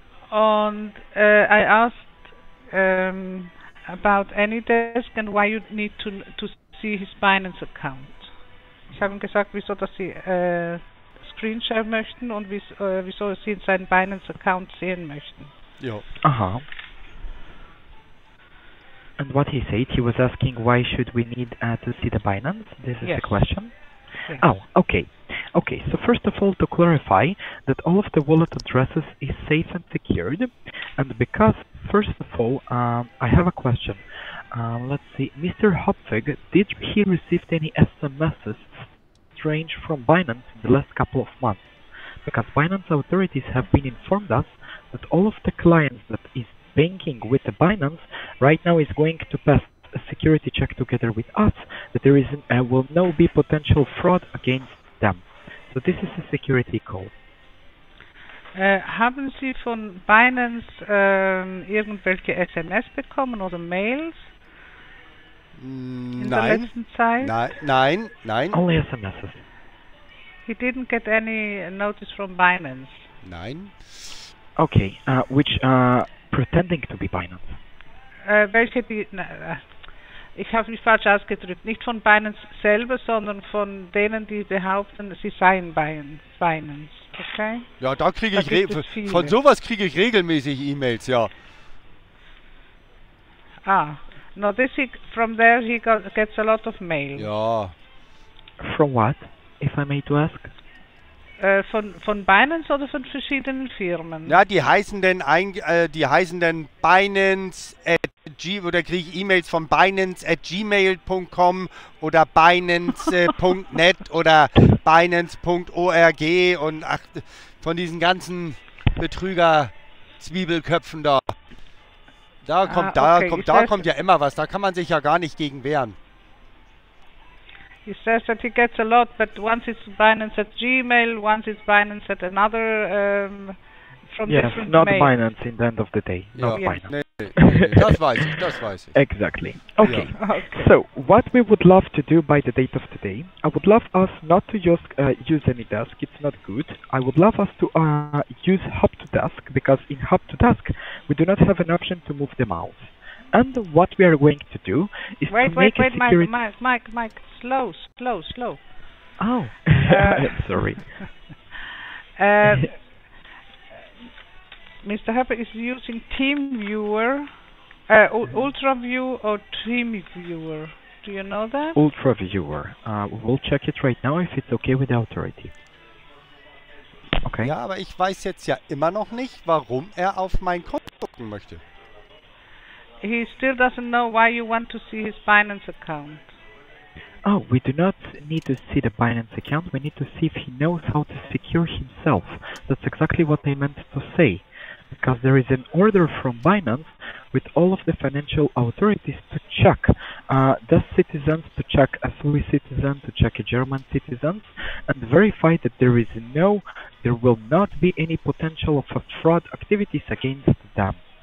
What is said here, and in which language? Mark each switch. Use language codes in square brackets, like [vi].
[en] And I asked about AnyDesk and why you need to see his Binance account. [de] Ich habe ihm gesagt, wieso dass sie Screenshare möchten und wieso sie seinen Binance Account sehen möchten. Ja. Aha. [en] And what he said, he was asking why should we need to see the Binance? This is yes. the question. Yes. Oh, okay. Okay, so first of all, to clarify that all of the wallet addresses is safe and secured. And because, first of all, I have a question. Let's see, Mr. Hopfig, did he receive any SMSs strange from Binance in the last couple of months? Because Binance authorities have been informed us that all of the clients that is banking with the Binance right now is going to pass a security check together with us, that there is will no be potential fraud against them. So this is a security call. [de] Haben Sie von Binance irgendwelche SMS bekommen oder Mails nein. in der letzten Zeit? Nein, nein, nein. [en] Only SMSs. He didn't get any notice from Binance. [de] Nein. [en] Okay, which pretending to be Binance? [de] Welche die... Ich habe mich falsch ausgedrückt. Nicht von Binance selber, sondern von denen, die behaupten, sie seien Binance. [en] Okay? [de] Ja, da kriege ich von sowas kriege ich regelmäßig E-Mails, ja. [en] Ah, no, this from there he gets a lot of mail. [de] Ja. [en] From what, if I may to ask? [de] Von Binance oder von verschiedenen Firmen? Ja, die heißen denn Binance @G oder kriege ich E-Mails von Binance@gmail.com oder Binance.net oder Binance.org und ach, von diesen ganzen Betrüger-Zwiebelköpfen da. Da kommt ja immer was, da kann man sich ja gar nicht gegen wehren. [en] He says that he gets a lot, but once it's Binance@gmail, once it's Binance@another, from yes, different not mails. Binance in the end of the day, not yeah. Binance. [de] Nee, nee. Das weiß ich. [en] Exactly. Okay. Yeah. Okay. So, what we would love to do by the date of today, I would love us not to just use AnyDesk, it's not good. I would love us to use Hub2Desk, because in Hub2Desk, we do not have an option to move the mouse. And what we are going to do is wait, Mike, slow. Oh, sorry. Mr. Hepper is using TeamViewer, UltraView or TeamViewer. Do you know that? UltraViewer. We'll check it right now if it's okay with the authority. Okay. [de] Ja, aber ich weiß jetzt ja immer noch nicht, warum auf mein Konto gucken möchte. [en] He still doesn't know why you want to see his Binance account. Oh, we do not need to see the Binance account. We need to see if he knows how to secure himself. That's exactly what I meant to say. Because there is an order from Binance with all of the financial authorities to check the citizens, to check a Swiss citizen, to check a German citizen, and verify that there will not be any potential of a fraud activities against them.